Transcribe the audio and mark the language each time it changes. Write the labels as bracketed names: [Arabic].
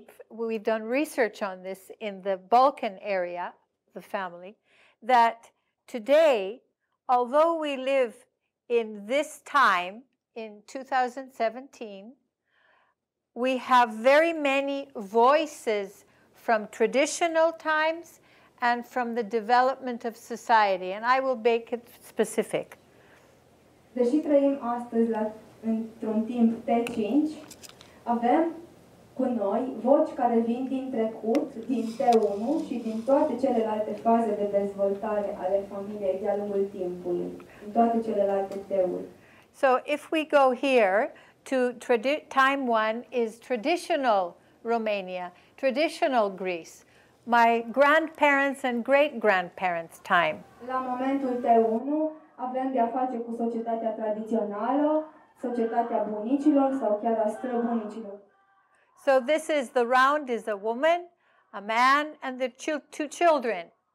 [English] we've done research on this in the Balkan area, the family, that today, although we live in this time, in 2017, we have very many voices from traditional times and from the development of society, and I will make it specific. [Romanian] Deși trăim astăzi într-un timp T5, avem cu noi voci care vin din trecut, din T1 și din toate celelalte faze de dezvoltare ale familiei de-a lungul timpului, din toate celelalte T-uri. [English] So if we go here to time one is traditional Romania, traditional Greece. My grandparents and great-grandparents' time. [Romanian] La momentul T1 avem de a face cu societatea tradițională, societatea bunicilor sau chiar a străbunicilor. [English] So this is the round is a woman, a man and the two children.